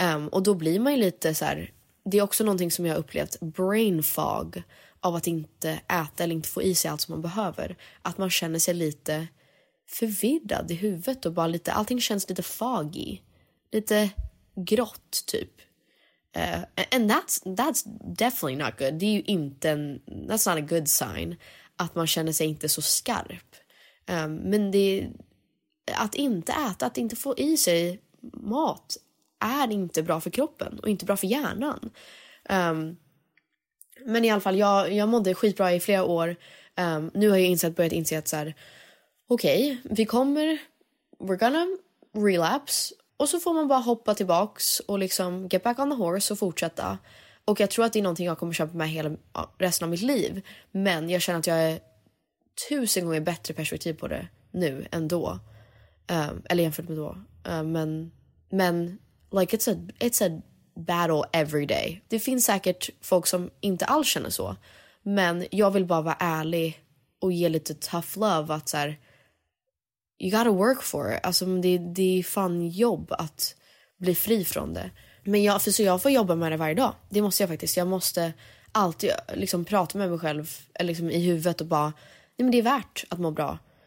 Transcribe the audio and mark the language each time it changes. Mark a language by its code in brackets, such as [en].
[sv] Och då blir man ju lite så här, det är också någonting som jag har upplevt, [en] brain fog, [sv] av att inte äta eller inte få i sig allt som man behöver. Att man känner sig lite förvirrad i huvudet och bara lite, allting känns lite foggy, lite grått typ. [en] And that's definitely not good. [sv] Det är ju inte en, [en] that's not a good sign, [sv] att man känner sig inte så skarp. Men det, att inte äta, att inte få i sig mat, är inte bra för kroppen och inte bra för hjärnan. Men i alla fall, jag mådde skitbra i flera år. Nu har jag börjat inse att så här, okej, okay, vi kommer, [en] we're gonna relapse. [sv] Och så får man bara hoppa tillbaks och liksom [en] get back on the horse [sv] och fortsätta. Och jag tror att det är någonting jag kommer kämpa med hela resten av mitt liv. Men jag känner att jag är 1000 gånger bättre perspektiv på det nu än då. Eller jämfört med då. [en] Men like it's a battle every day. [sv] Det finns säkert folk som inte alls känner så. Men jag vill bara vara ärlig och ge lite [en] tough love [sv] att så här, [en] you gotta work for it. [sv] Alltså det är fan jobb att bli fri från det. Men jag får jobba med det varje dag. Det måste jag faktiskt. Jag måste alltid liksom prata med mig själv liksom i huvudet och bara, nej, men det är värt att må bra.